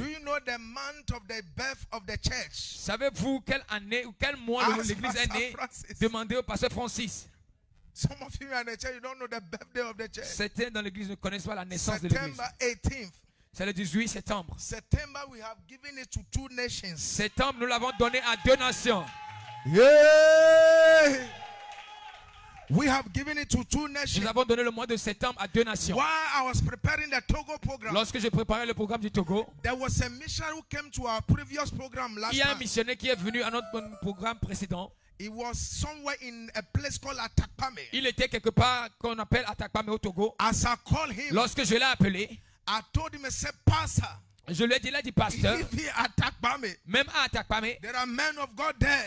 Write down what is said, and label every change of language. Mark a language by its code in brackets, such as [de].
[en] Do you know the month of the birth of the church? [fr] Savez-vous quelle année ou quel mois l'église est née? Demandez au pasteur Francis. [en] Some of you in the church, you don't know the birthday of the church. [fr] Certains dans l'église ne connaissent pas la naissance de l'église. [en] September 18th. [fr] C'est le 18 septembre. [en] September, we have given it to two nations. [fr] Septembre, nous l'avons donné à deux nations. [en] Yeah. We have given it to two nations. [fr] Nous avons donné le mois de septembre à deux nations. [en] While I was preparing the Togo program, [fr] lorsque je préparais le programme du Togo, [en] there was a missionary who came to our previous program last month. [fr] Il y a un missionnaire qui est venu à notre programme précédent. [en] He was somewhere in a place called Atakpame. [fr] Il était quelque part qu'on appelle Atakpame au Togo. [en] As I called him, [fr] lorsque je l'ai appelé, [en] I told him, said, pastor, [fr] je lui ai dit, là, dit pasteur, même à [en] Atakpame, there are men of God there.